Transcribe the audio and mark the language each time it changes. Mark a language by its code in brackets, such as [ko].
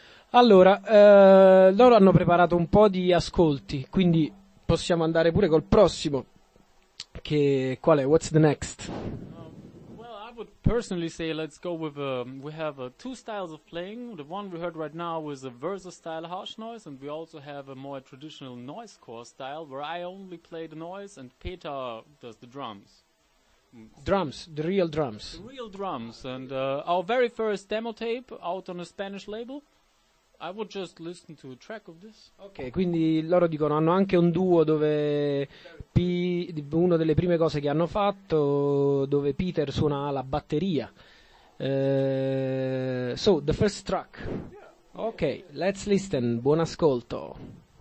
[it] Allora, loro hanno preparato un po' di ascolti, quindi possiamo andare pure col prossimo. Che qual è? [en] What's the next? I would personally say let's go with we have two styles of playing. The one we heard right now is a Versa style harsh noise, and we also have a more traditional noise core style where I only play the noise and Peter does the drums. Drums, the real drums. The real drums. And our very first demo tape out on a Spanish label. I would just listen to a track of this. [it] Okay, quindi loro dicono hanno anche un duo dove una delle prime cose che hanno fatto dove Peter suona la batteria. [en] So the first track. Okay, let's listen. [it] Buon ascolto.